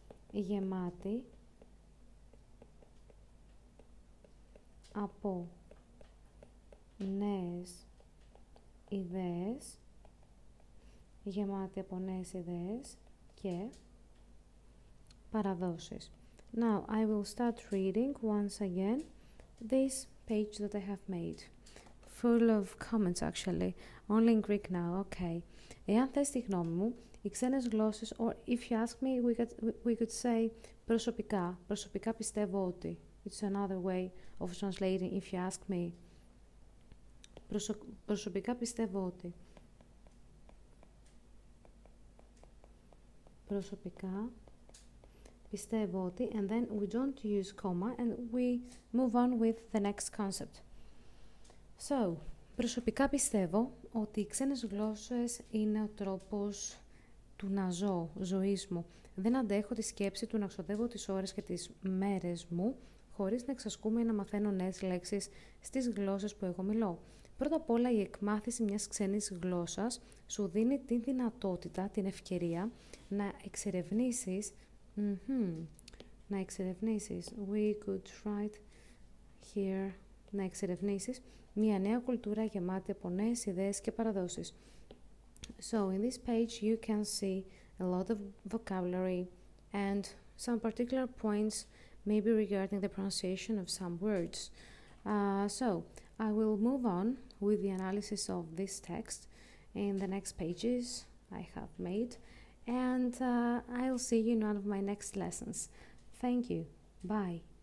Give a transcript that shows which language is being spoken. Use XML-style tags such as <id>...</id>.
<el>Γεμάτη από νέες ιδέες, γεμάτη από νέες ιδέες και παραδόσεις.</el> <en>Now, I will start reading once again this page that I have made. Full of comments, actually. Only in Greek now, okay.</en> <el>Εάν θες τη γνώμη μου, οι ξένες γλώσσες,</el> <en>or if you ask me, we could say</en> <el>προσωπικά. Προσωπικά πιστεύω ότι.</el> <en>It's another way of translating, if you ask me.</en> <el>Προσωπικά πιστεύω ότι. Προσωπικά πιστεύω ότι.</el> <en>And then we don't use comma and we move on with the next concept. So,</en> <el>προσωπικά πιστεύω ότι οι ξένες γλώσσες είναι ο τρόπος του να ζω, ζωής μου. Δεν αντέχω τη σκέψη του να ξοδεύω τις ώρες και τις μέρες μου χωρίς να εξασκούμαι ή να μαθαίνω νέες λέξεις στις γλώσσες που εγώ μιλώ. Πρώτα απ' όλα, η εκμάθηση μιας ξένης γλώσσας σου δίνει τη δυνατότητα, την ευκαιρία να εξερευνήσεις. Να εξερευνήσεις.</el> <en>We could write here.</en> <el>Να εξερευνήσεις μια νέα κουλτούρα γεμάτη από νέες ιδέες και παραδόσεις.</el> <en>So, in this page you can see a lot of vocabulary and some particular points maybe regarding the pronunciation of some words. So, I will move on with the analysis of this text in the next pages I have made and I'll see you in one of my next lessons. Thank you. Bye.</en>